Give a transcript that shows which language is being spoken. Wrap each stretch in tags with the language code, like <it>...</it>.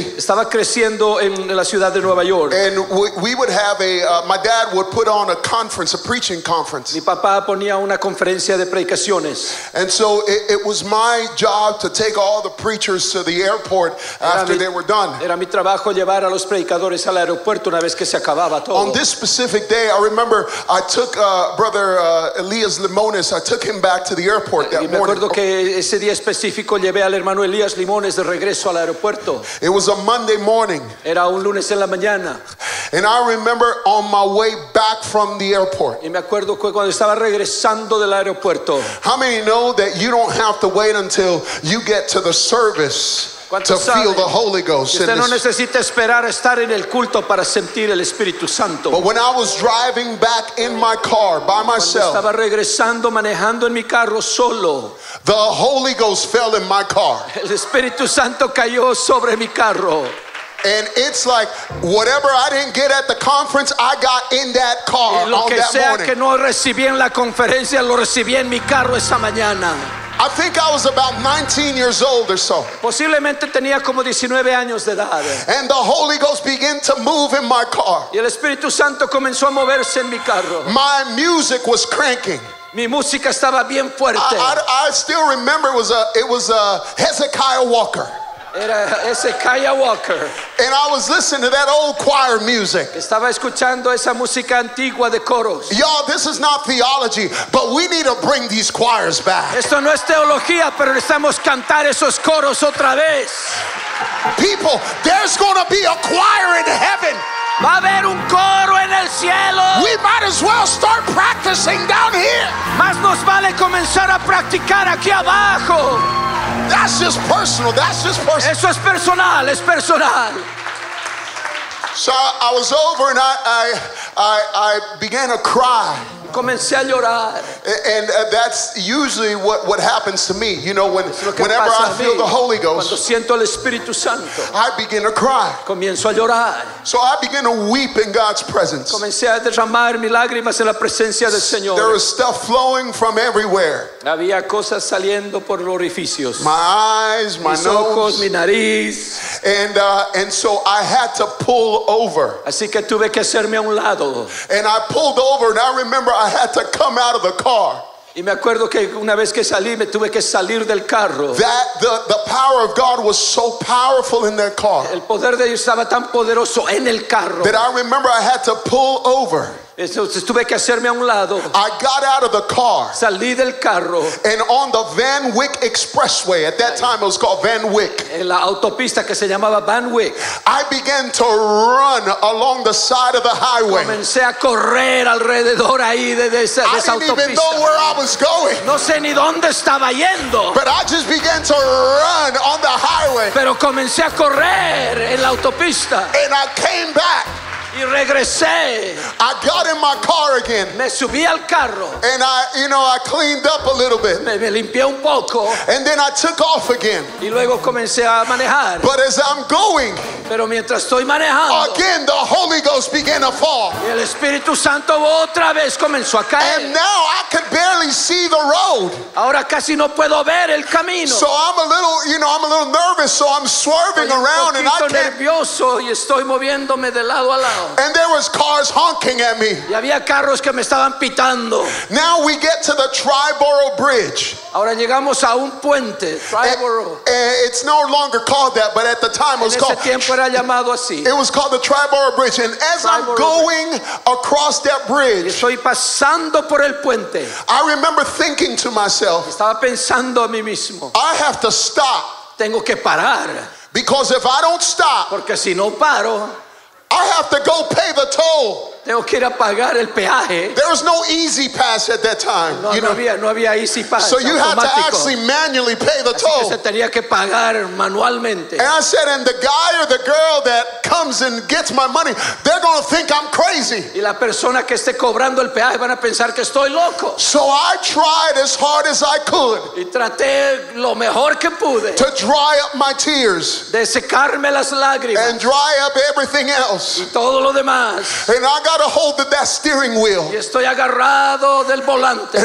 <es>Estaba creciendo en la ciudad de Nueva York.</es> <en>And we would have my dad would put on a conference, a preaching conference.</en> <es>Mi papá ponía una conferencia de predicaciones.</es> <en>And so it was my job to take all the preachers to the airport after they were done.</en> <es>Era mi trabajo llevar a los predicadores al aeropuerto una vez que se acababa todo.</es> <en>On this specific day, I remember I took brother Elias Limones. I took him back to the airport that morning.</en> <es>Y me acuerdo que ese día específico llevé al hermano Elias Limones. Regreso al aeropuerto.</es> <en>It was a Monday morning.</en> <es>Era un lunes en la mañana.</es> <en>And I remember on my way back from the airport.</en> <es>Y me acuerdo que cuando estaba regresando del aeropuerto.</es> <en>How many know that you don't have to wait until you get to the service to feel the Holy Ghost?</en> <es>Usted no necesita esperar estar en el culto para sentir el Espíritu Santo.</es> <en>But when I was driving back in my car by myself,</en> <es>estaba regresando manejando en mi carro solo,</es> <en>the Holy Ghost fell in my car.</en> <es>El Espíritu Santo cayó sobre mi carro.</es> <en>And it's like whatever I didn't get at the conference, I got in that car on that morning.</en> <es>Lo que sea que no recibí en la conferencia, lo recibí en mi carro esa mañana.</es> <en>I think I was about 19 years old or so.</en> <es>Posiblemente tenía como 19 años de edad.</es> <en>And the Holy Ghost began to move in my car.</en> <es>Y el Espíritu Santo comenzó a moverse en mi carro.</es> <en>My music was cranking.</en> <es>Mi música estaba bien fuerte.</es> <en>I still remember it was a Hezekiah Walker.</en> <es>Era Hezekiah Walker.</es> <en>And I was listening to that old choir music.</en> <es>Estaba escuchando esa música antigua de coros.</es> <en>Y'all, this is not theology, but we need to bring these choirs back.</en> <es>Esto no es teología, pero necesitamos cantar esos coros otra vez.</es> <en>People, there's going to be a choir in heaven.</en> <es>Va a haber un coro en el cielo.</es> <en>We might as well start practicing down here.</en> <es>Más nos vale comenzar a practicar aquí abajo.</es> <en>That's just personal. That's just personal.</en> <es>Eso es personal. Es personal.</es> <en>So I was over and I began to cry.</en> <es>Comencé a llorar.</es> <en>And that's usually what happens to me. You know, whenever I feel the Holy Ghost,</en> <es>cuando siento el Espíritu Santo,</es> <en>I begin to cry.</en> <es>Comienzo a llorar.</es> <en>So I begin to weep in God's presence.</en> <es>Comencé a derramar mis lágrimas en la presencia del Señor.</es> <en>There was stuff flowing from everywhere.</en> <es>Había cosas saliendo por los orificios.</es> <en>My eyes, my</en> <es>mis ojos,</es> <en>nose,</en> <es>mi nariz.</es> <en>And so I had to pull over.</en> <es>Así que tuve que hacerme a un lado.</es> <en>And I pulled over, and I remember I had to come out of the car.</en> <es>Y me acuerdo que una vez que salí, me tuve que salir del carro.</es> <en>That the power of God was so powerful in that car.</en> <es>El poder de Dios estaba tan poderoso en el carro.</es> <en>That I remember I had to pull over.</en> <es>Entonces tuve que hacerme a un lado.</es> <en>I got out of the car.</en> <es>Salí del carro.</es> <en>And on the Van Wyck Expressway, at that time it was called Van Wyck.</en> <es>En la autopista que se llamaba Van Wyck.</es> <en>I began to run along the side of the highway.</en> <es>Comencé a correr alrededor ahí de esa autopista.</es> <en>I didn't even know where I was going.</en> <es>No sé ni dónde estaba yendo.</es> <en>But I just began to run on the highway.</en> <es>Pero comencé a correr en la autopista.</es> <en>And I came back.</en> <es>Y regresé.</es> <en>I got in my car again.</en> <es>Me subí al carro.</es> <en>And I cleaned up a little bit.</en> <es>Me limpié un poco.</es> <en>And then I took off again.</en> <es>Y luego comencé a manejar.</es> <en>But as I'm going,</en> <es>pero mientras estoy manejando,</es> <en>again the Holy Ghost began to fall.</en> <es>Y el Espíritu Santo otra vez comenzó a caer.</es> <en>And now I could barely see the road.</en> <es>Ahora casi no puedo ver el camino.</es> <en>So I'm a little nervous, so I'm swerving around and I can't.</en> <es>Nervioso y estoy moviéndome de lado a lado.</es> <en>And there was cars honking at me.</en> <es>Y había carros que me estaban pitando.</es> <en>Now we get to the Triborough Bridge.</en> <es>Ahora llegamos a un puente, Triborough.</es> <en>It's no longer called that, but at the time it was called.</en> <es>En ese tiempo era llamado así.</es> <en>It was called the Triborough Bridge. And as I'm going across that bridge,</en> <es>estoy pasando por el puente.</es> <en>I remember thinking to myself,</en> <es>estaba pensando a mí mismo,</es> <en>I have to stop.</en> <es>Tengo que parar.</es> <en>Because if I don't stop,</en> <es>porque si no paro,</es> <en>I have to go pay the toll.</en> <es>Tengo que ir a pagar el peaje.</es> <en>There was no easy pass at that time.</en> <es>No, no había easy pass.</es> <en>So you had to actually manually pay the toll.</en> <es>Así que se tenía que pagar manualmente.</es> <en>And I said, and the guy or the girl that comes and gets my money, they're going to think I'm crazy.</en> <es>Y la persona que esté cobrando el peaje van a pensar que estoy loco.</es> <en>So I tried as hard as I could.</en> <es>Y traté lo mejor que pude.</es> <en>To dry up my tears.</en> <es>De secarme las lágrimas.</es> <en>And dry up everything else.</en> <es>Y todo lo demás.</es> <en>And I got a hold of that steering wheel.</en> <es>Y estoy agarrado del volante.</es>